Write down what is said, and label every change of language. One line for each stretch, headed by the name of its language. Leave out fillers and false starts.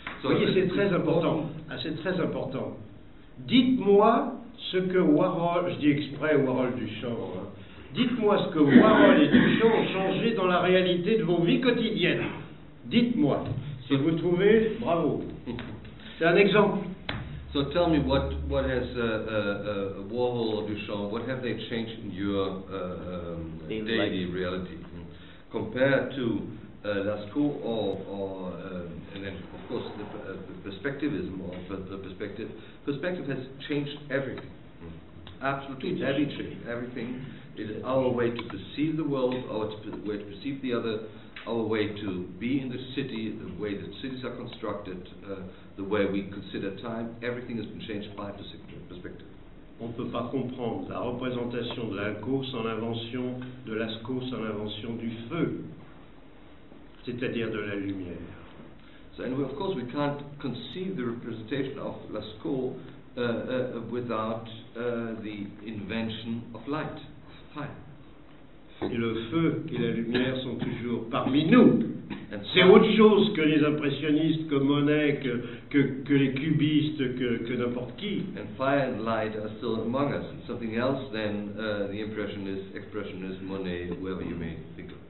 French: Vous voyez, c'est très important. Ah, c'est très important. Dites-moi ce que Warhol, je dis exprès Warhol Duchamp, hein. Dites-moi ce que Warhol et Duchamp ont changé dans la réalité de vos vies quotidiennes. Dites-moi. Si vous trouvez, bravo. C'est un exemple.
English: So tell me what has Warhol or Duchamp, what have they changed in your daily life. Reality compared to Lascaux or and then of course the perspectivism or the perspective has changed everything, absolutely everything. It is our way to perceive the world, our way to perceive the other, our way to be in the city, the way that cities are constructed, the way we consider time, everything has been changed by perspective.
French: On ne peut pas comprendre la représentation de Lascaux sans l'invention de Lascaux sans l'invention du feu, c'est-à-dire de la lumière.
English: So, and we, of course, we can't conceive the representation of Lascaux without the invention of light. Fire.
French: Et le feu et la lumière sont toujours parmi nous. C'est autre chose que les impressionnistes, que Monet, que les cubistes, que n'importe qui.
English: And fire and light are still among us. Something else than the impressionists, expressionists, Monet, whoever you may think of.